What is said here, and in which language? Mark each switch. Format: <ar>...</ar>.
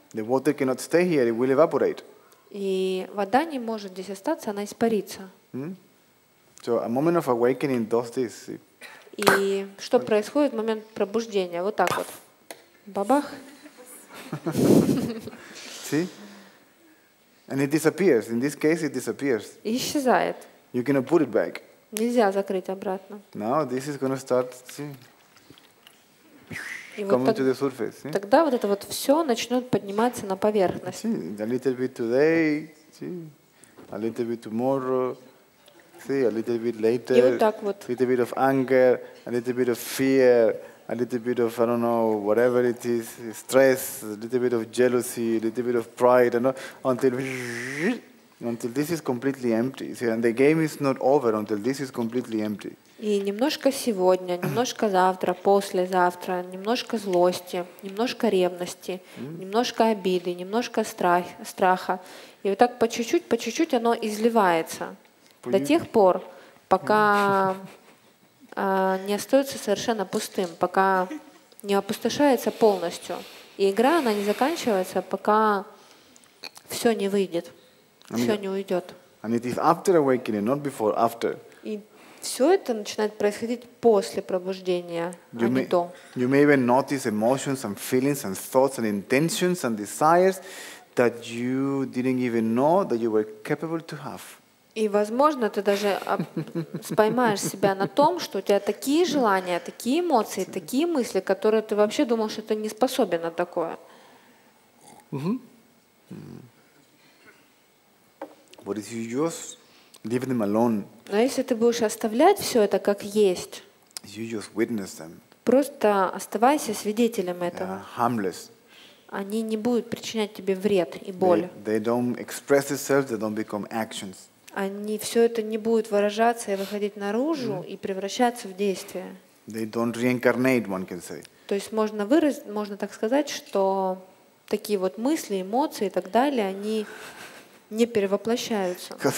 <en>The water cannot stay here, it will evaporate.</en> <ru>И вода не может здесь остаться, она испарится.</ru> <en>So a moment of awakening does this.</en> <ru>И что происходит в момент пробуждения? Вот так вот. Бабах.</ru> <en>See? And it disappears. In this case it disappears.</en> <ru>И исчезает.</ru> <en>You cannot put it back.</en> <ru>Нельзя закрыть обратно.</ru> <en>Now this is going to start, see, coming to the surface. See?</en> <ru>Тогда вот это вот все начнет подниматься на поверхность.</ru> <en>See? A little bit today, see? A little bit tomorrow, see? A little bit later.</en> <ru>И вот так вот.</ru> <en>A little bit of anger, a little bit of fear, a little bit of, I don't know, whatever it is, stress, a little bit of jealousy, a little bit of pride, you know, until this is completely empty. See, and the game is not over until this is completely empty.</en> <ru>И немножко сегодня, немножко завтра, послезавтра, немножко злости, немножко ревности, немножко обиды, немножко страха. И вот так по чуть-чуть оно изливается. До тех пор, пока не остается совершенно пустым, пока не опустошается полностью. И игра, она не заканчивается, пока все не выйдет. Все не уйдет.</ru> <en>And it is after awakening, not before, after.</en> <ru>И все это начинает происходить после пробуждения,</ru> <en>you</en> <ru>а</ru> <en>may,</en> <ru>не то.</ru> <en>You may even notice emotions and feelings and thoughts and intentions and desires that you didn't even know that you were capable to have.</en> <ru>И, возможно, ты даже споймаешь себя на том, что у тебя такие желания, такие эмоции, такие мысли, которые ты вообще думал, что ты не способен на такое.</ru> <en>But if you just leave them alone,</en> <ru>но если ты будешь оставлять все это как есть,</ru> <en>you just witness them.</en> <ru>Просто оставайся свидетелем этого.</ru> <en>Harmless.</en> <ru>Они не будут причинять тебе вред и боль.</ru> <en>They don't express themselves, they don't become actions.</en> <ru>Они все это не будет выражаться и выходить наружу и превращаться в действие.</ru> <en>They don't reincarnate, one can say.</en> <ru>То есть можно выразить, можно так сказать, что такие вот мысли, эмоции и так далее, они не перевоплощаются.</ru>